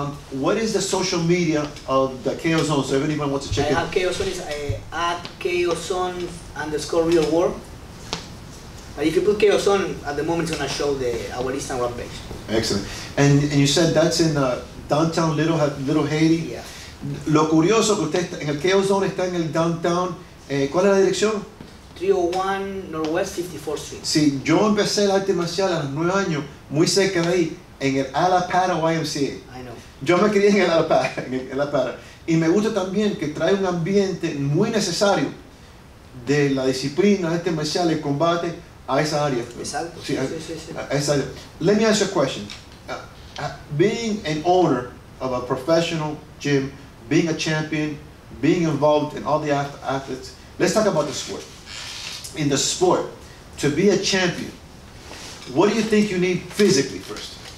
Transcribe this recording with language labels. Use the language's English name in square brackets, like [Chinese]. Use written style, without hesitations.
[English] What is the social media of the KO Zone? So if anyone wants to check it. I have KO Zone, it's at KO Zone underscore real world. And if you put KO Zone, at the moment it's going to show our Instagram page. Excellent. And you said that's in downtown Little Haiti? Yeah. [Spanish] Lo curioso que usted está, en el KO Zone está en el downtown, ¿cuál es la dirección? [English] 301 Northwest 54th Street. [Spanish] Sí, yo empecé el arte marcial a los 9 años, muy cerca de ahí, en el Alapara YMCA. Yo me crié en el Alapara, y me gusta también que trae un ambiente muy necesario de la disciplina, este marcial, el combate, a esa área. Exacto. [English] Sí. Let me ask you a question. Being an owner of a professional gym, being a champion, being involved in all the athletes, let's talk about the sport. In the sport, to be a champion, what do you think you need physically first?